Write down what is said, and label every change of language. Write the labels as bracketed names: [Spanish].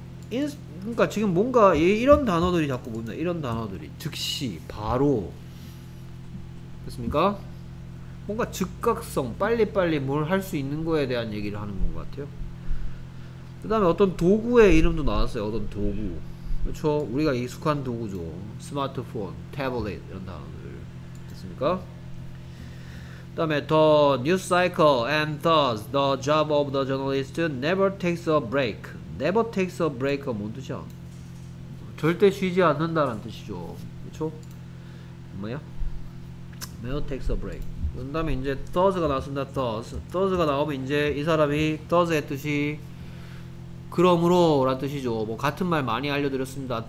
[Korean] 그러니까 지금 뭔가 이런 단어들이 자꾸 보입니다. 이런 단어들이 즉시 바로 그렇습니까? 뭔가 즉각성 빨리빨리 뭘할수 있는 거에 대한 얘기를 하는 것 같아요. 그 다음에 어떤 도구의 이름도 나왔어요. 어떤 도구 그렇죠? 우리가 익숙한 도구죠. 스마트폰, 태블릿 이런 단어들 됐습니까? 다음에 [English] the news cycle and thus the job of the journalist never takes a break. never takes a break [Korean] 뭔 뜻이야? 절대 쉬지 않는다라는 뜻이죠. 그렇죠? 뭐야? [English] never takes a break. [Korean] 그다음에 이제 thus가 나왔습니다. thus가 나오면 이제 이 사람이 thus의 뜻이 그러므로라는 뜻이죠. 뭐 같은 말 많이 알려드렸습니다.